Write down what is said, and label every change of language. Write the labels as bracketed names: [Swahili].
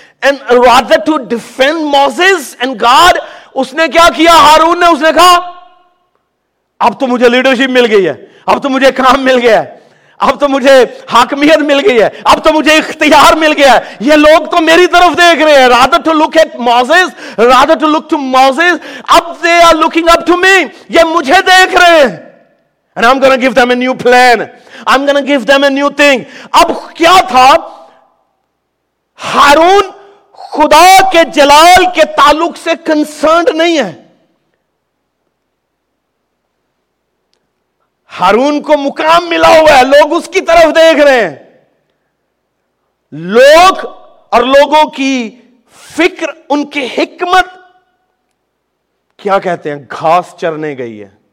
[English] and rather to defend Moses and God, [Urdu] اس نے کیا کیا ہارون نے، اس نے کہا اب تو مجھے لیڈرشپ مل گئی ہے، اب تو مجھے کام مل گیا ہے، اب تو مجھے حاکمیت مل گئی ہے، اب تو مجھے اختیار مل گیا ہے، یہ لوگ تو میری طرف دیکھ رہے ہیں. [English] Rather to look at Moses, rather to look to Moses, اب they are looking up to me, [Urdu] یہ مجھے دیکھ رہے ہیں. [English] And I'm gonna give them a new plan, I'm gonna give them a new thing. [Urdu] اب کیا تھا، ہارون خدا کے جلال کے تعلق سے کنسرنڈ نہیں ہے. ہارون کو مقام ملا ہوا ہے، لوگ اس کی طرف دیکھ رہے ہیں، لوگ اور لوگوں کی فکر، ان کی حکمت کیا کہتے ہیں، گھاس چرنے گئی ہے.